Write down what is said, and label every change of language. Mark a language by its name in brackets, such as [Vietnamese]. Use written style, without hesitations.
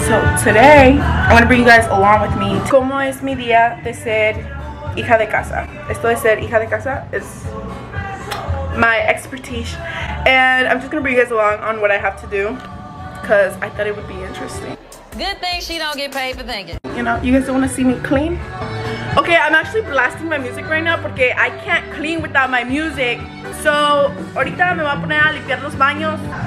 [English] So today, I'm gonna bring you guys along with me. [Spanish] ¿Cómo es mi día de ser hija de casa? Esto de ser hija de casa [English] is my expertise. And I'm just gonna bring you guys along on what I have to do, because I thought it would be interesting. Good thing she don't get paid for thinking. You know, you guys don't wanna see me clean? Okay, I'm actually blasting my music right now porque I can't clean without my music. [Spanish] So, ahorita me voy a poner a limpiar los baños.